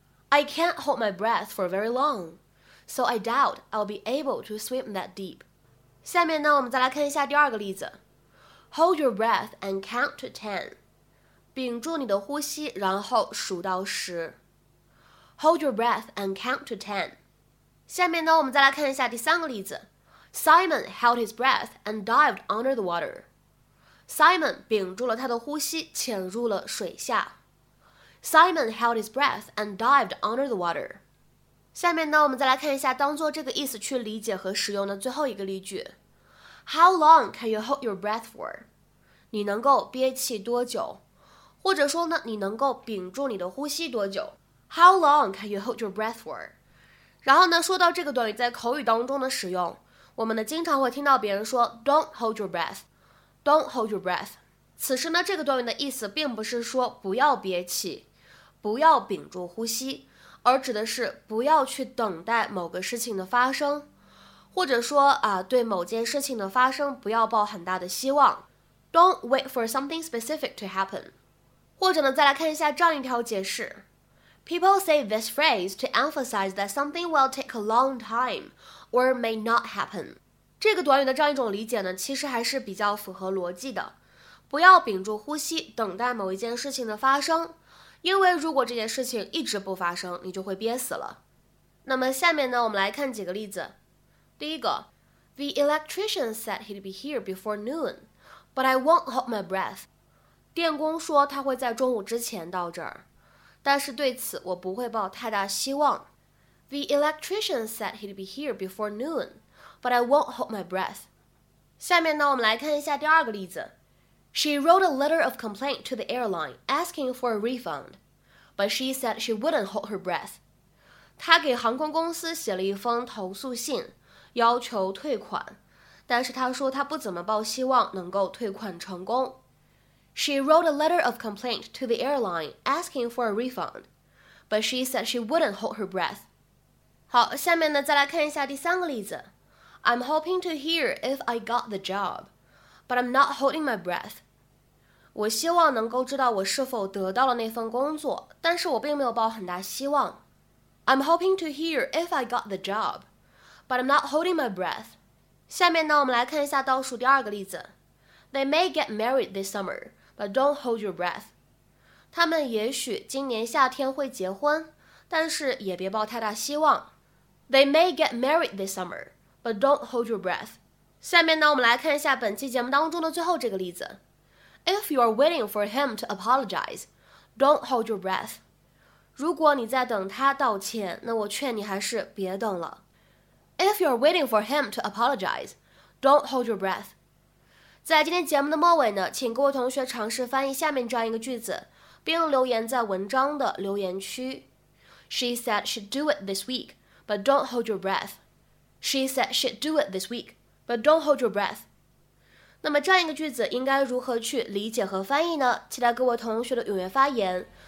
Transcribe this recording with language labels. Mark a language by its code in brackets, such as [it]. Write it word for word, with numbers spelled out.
[en] I can't hold my breath for very long, so I doubt I'll be able to swim that deep. [zh] 下面呢，我们再来看一下第二个例子。 [en] Hold your breath and count to ten. [zh] 屏住你的呼吸，然后数到十。 [en] Hold your breath and count to ten. [zh] 下面呢，我们再来看一下第三个例子。 [en] Simon held his breath and dived under the water. [zh] Simon 屏住了他的呼吸，潜入了水下。 [en] Simon held his breath and dived under the water. [zh] 下面呢，我们再来看一下当做这个意思去理解和使用的最后一个例句。 [en] How long can you hold your breath for? [zh] 你能够憋气多久？或者说呢，你能够屏住你的呼吸多久 ？ [en] How long can you hold your breath for? [zh] 然后呢，说到这个短语在口语当中的使用，我们呢经常会听到别人说 [en] Don't hold your breath. [zh] Don't hold your breath. 此时呢，这个短语的意思并不是说不要憋气，不要屏住呼吸，而指的是不要去等待某个事情的发生，或者说啊，对某件事情的发生不要抱很大的希望。 [en] Don't wait for something specific to happen. [zh] 或者呢，再来看一下这样一条解释。 [en] People say this phrase to emphasize that something will take a long time or may not happen. [zh] 这个短语的这样一种理解呢，其实还是比较符合逻辑的。不要屏住呼吸，等待某一件事情的发生，因为如果这件事情一直不发生，你就会憋死了。那么下面呢，我们来看几个例子。第一个 [en] ，The electrician said he'd be here before noon, but I won't hold my breath. [zh] 电工说他会在中午之前到这儿，但是对此我不会抱太大希望。 [en] The electrician said he'd be here before noon. But I won't hold my breath. [zh] 下面呢，我们来看一下第二个例子。 [en] She wrote a letter of complaint to the airline asking for a refund, but she said she wouldn't hold her breath. [zh] 她给航空公司写了一封投诉信，要求退款，但是他说他不怎么抱希望能够退款成功。 [en] She wrote a letter of complaint to the airline asking for a refund, but she said she wouldn't hold her breath. [zh] 好，下面呢再来看一下第三个例子。 [en] I'm hoping to hear if I got the job, but I'm not holding my breath. [zh] 我希望能够知道我是否得到了那份工作，但是我并没有抱很大希望。 [en] I'm hoping to hear if I got the job, but I'm not holding my breath. [zh] 下面呢，我们来看一下倒数第二个例子。 [en] They may get married this summer, but don't hold your breath. [zh] 他们也许今年夏天会结婚，但是也别抱太大希望。 [en] They may get married this summer, but don't hold your breath. [zh] 下面呢，我们来看一下本期节目当中的最后这个例子。 [en] If you are waiting for him to apologize, don't hold your breath. [zh] 如果你在等他道歉，那我劝你还是别等了。 [en] If you're waiting for him to apologize, don't hold your breath. [zh] 在今天节目的末尾呢，请各位同学尝试翻译下面这样一个句子，并留言在文章的留言区。 [en] She said she'd do it this week, but don't hold your breath. She said she'd do it this week, but don't hold your breath. [zh] 那么这样一个句子应该如何去理解和翻译呢？期待各位同学的踊跃发言。